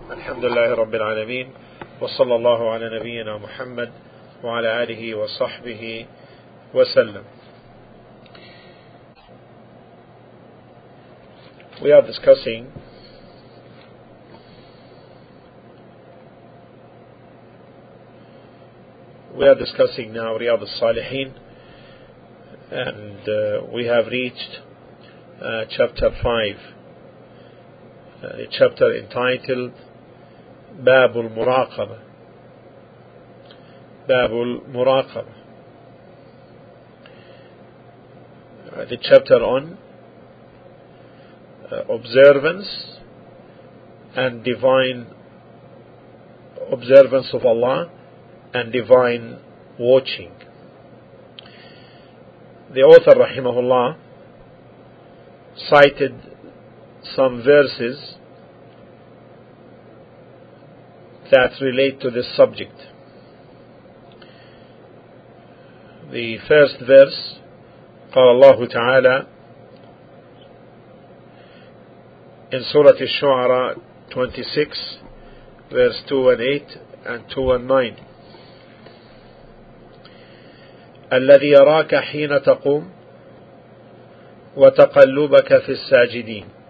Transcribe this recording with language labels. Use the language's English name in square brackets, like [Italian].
[Arabic] الحمد لله رب العالمين، وصلى الله على نبينا محمد وعلى آله وصحبه وسلم. [English] We are discussing now Riyad al-Salihin, and we have reached chapter 5, a chapter entitled Babul Muraqaba, the chapter on observance and divine observance of Allah and divine watching. The author rahimahullah cited some verses that relate to this subject. The first verse, [Arabic] قال الله تعالى [English] in Surah Al-Shu'ara 26, verse 218 and 219, [Arabic] الذي يراك حين تقوم وتقلبك في الساجدين.